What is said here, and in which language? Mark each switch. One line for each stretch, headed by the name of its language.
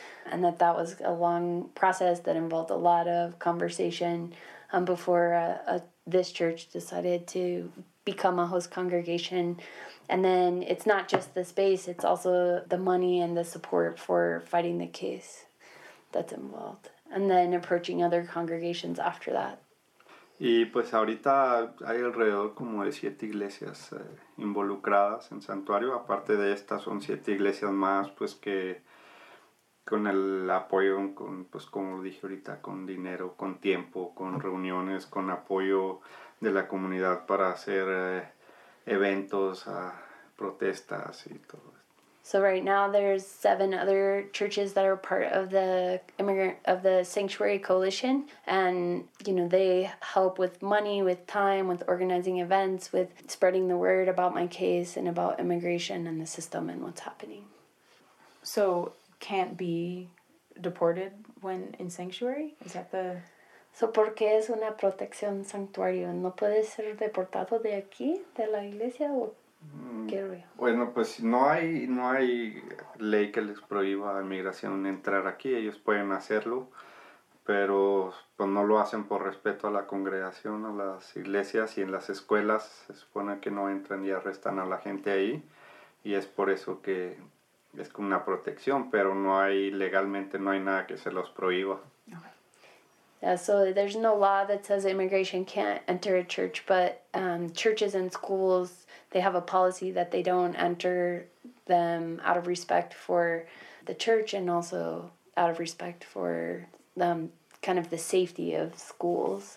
English: And that was a long process that involved a lot of conversation before this church decided to become a host congregation. And then it's not just the space, it's also the money and the support for fighting the case that's involved. And then approaching other congregations after that.
Spanish: Y pues ahorita hay alrededor como de 7 iglesias involucradas en Santuario. Aparte de estas, son 7 iglesias más, pues que... con el apoyo, pues como dije ahorita, con dinero, con tiempo, con reuniones, con apoyo de la comunidad para hacer eventos, protestas y todo.
English: So right now there's 7 other churches that are part of the Sanctuary Coalition, and you know, they help with money, with time, with organizing events, with spreading the word about my case and about immigration and the system and what's happening. So can't be deported when in sanctuary? Is that the...
Spanish: So porque es una protección sanctuario, no puede ser deportado de aquí, de la iglesia o... Bueno, pues no hay ley que les prohíba a inmigración entrar aquí. Ellos pueden hacerlo, pero pues no lo hacen por respeto a la congregación, a las iglesias, y en las escuelas se supone que no entran y arrestan a la gente ahí, y es por eso que es como una protección, pero no hay legalmente, no hay nada que se los prohíba.
English: Yeah, so there's no law that says immigration can't enter a church, but churches and schools, they have a policy that they don't enter them out of respect for the church and also out of respect for kind of the safety of schools.